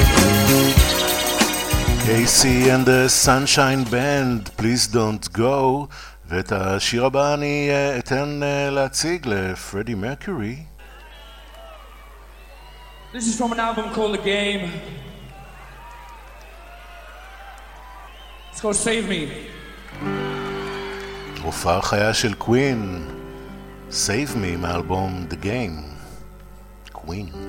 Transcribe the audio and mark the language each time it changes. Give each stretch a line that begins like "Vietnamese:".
English: ACDC and the Sunshine Band, Please Don't Go.
Hebrew: ואת השיר הבא אני אתן להציג לפרדי מרקורי.
English: This is from an album called The Game. It's called Save Me.
Hebrew: הופעה חיה של קווין. Save Me מהאלבום The Game. קווין.